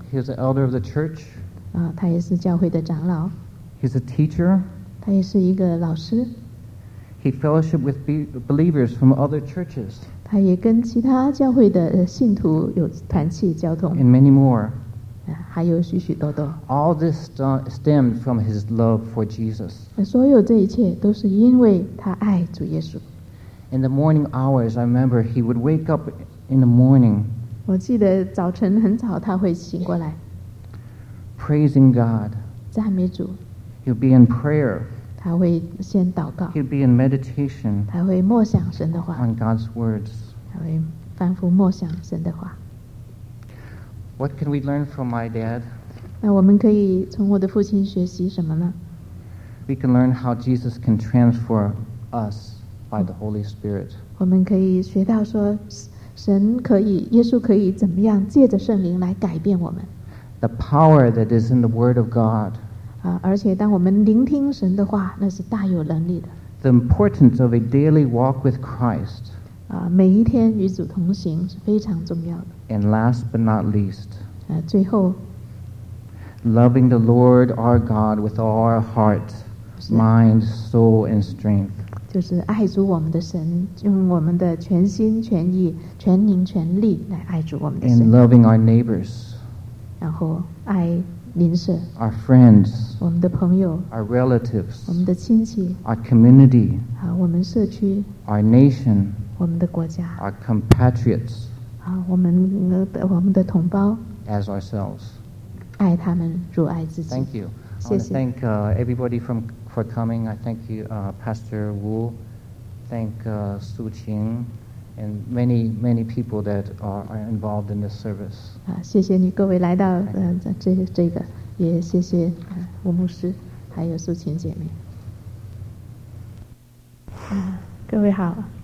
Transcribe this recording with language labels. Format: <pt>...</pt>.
<en>He was an elder of the church.</en> <zh>啊，他也是教会的长老。</zh> <en>He's a teacher.</en> <zh>他也是一个老师。</zh> <en>He fellowshiped with believers from other churches.</en> <zh>他也跟其他教会的信徒有团契交通。</zh> <en>And many more.</en> <zh>还有许许多多。</zh> <en>All this stemmed from his love for Jesus.</en> <zh>所有这一切都是因为他爱主耶稣。</zh> <en>In the morning hours, I remember he would wake up in the morning.</en> <zh>我记得早晨很早他会醒过来。</zh> <en>Praising God.</en> <zh>赞美主。</zh> <en>He would be in prayer.</en> <zh>他会先祷告。</zh> <en>He would be in meditation.</en> <zh>他会默想神的话。</zh> <en>On God's words.</en> <zh>他会反复默想神的话。</zh> <en>What can we learn from my dad?</en> <zh>那我们可以从我的父亲学习什么呢?</zh> <en>We can learn how Jesus can transform us by the Holy Spirit.</en> <zh>我们可以学到说神可以耶稣可以怎么样借着圣灵来改变我们。</zh> <en>The power that is in the Word of God.</en> <zh>啊，而且当我们聆听神的话，那是大有能力的。</zh> <en>The importance of a daily walk with Christ.</en> <zh>啊，每一天与主同行是非常重要的。</zh> <en>And last but not least,</en> <zh>最后,</zh> <en>loving the Lord our God with all our heart, mind, soul, and strength.</en> <zh>就是爱主我们的神，用我们的全心全意、全灵全力来爱主我们的神。</zh> <en>And loving our neighbors.</en> <zh>然后爱邻舍。</zh> <en>Our friends.</en> <zh>我们的朋友。</zh> <en>Our relatives.</en> <zh>我们的亲戚。</zh> <en>Our community.</en> <zh>啊，我们社区。</zh> <en>Our nation.</en> <zh>我们的国家。</zh> <en>Our compatriots.</en> <zh>我们的同胞</zh> <en>as ourselves</en> <zh>爱他们如爱自己</zh> <en>thank you</en> <zh>谢谢</zh> <en>I want to thank everybody for coming I thank you Pastor Wu thank Su Qing and many many people that are involved in this service</en> <zh>谢谢你各位来到、这个也谢谢吴牧师还有苏琴姐妹、各位好</zh>